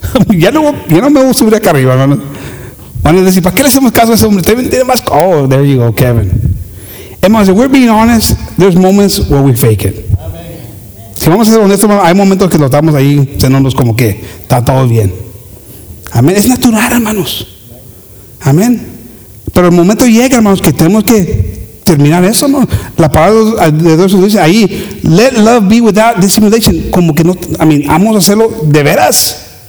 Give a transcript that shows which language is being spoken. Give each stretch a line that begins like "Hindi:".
Spanish: Ya no me voy a subir acá arriba, hermano. Van a decir, ¿para qué le hacemos caso a ese hombre? Tiene más.
English: Oh, there you go, Kevin. Hermanos, if we're being honest, there's moments where we fake it.
Spanish: Amen. Si vamos a ser honestos, hermano, hay momentos que lo estamos ahí, sentándonos como que está todo bien. Amén. Es natural, hermanos. Amén. Pero el momento llega, hermanos, que tenemos que terminar eso, ¿no? La palabra de Dios dice ahí,
English: let love be without dissimulation,
Spanish: como que no,
English: I mean,
Spanish: vamos a hacerlo de veras.